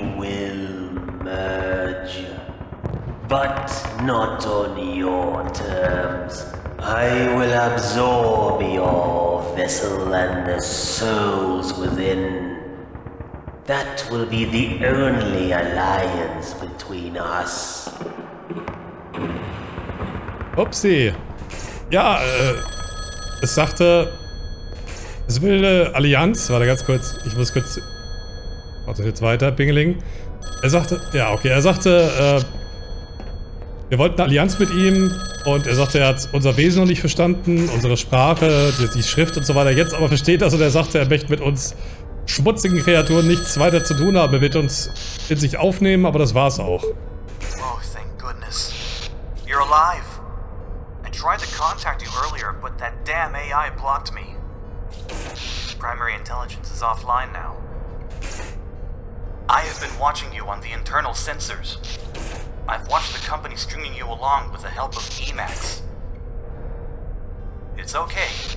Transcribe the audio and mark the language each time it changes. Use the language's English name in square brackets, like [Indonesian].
[English] we will merge, but not on your terms. I will absorb your vessel and the souls within. That will be the only alliance between us. [German] Upsie. Ja, es sagte, es will eine Allianz. Warte ganz kurz, ich muss kurz. Warte jetzt weiter, Pingeling. Er sagte, ja, okay, er sagte, wir wollten eine Allianz mit ihm und er sagte, er hat unser Wesen noch nicht verstanden, unsere Sprache, die Schrift und so weiter. Jetzt aber versteht das und er sagte, er möchte mit uns schmutzigen Kreaturen nichts weiter zu tun haben. Er wird uns in sich aufnehmen, aber das war's auch. [English] Oh, thank goodness. You're alive. I tried to contact you earlier, but that damn AI blocked me. Primary intelligence is offline now. I have been watching you on the internal sensors. I've watched the company stringing you along with the help of Emax. It's okay.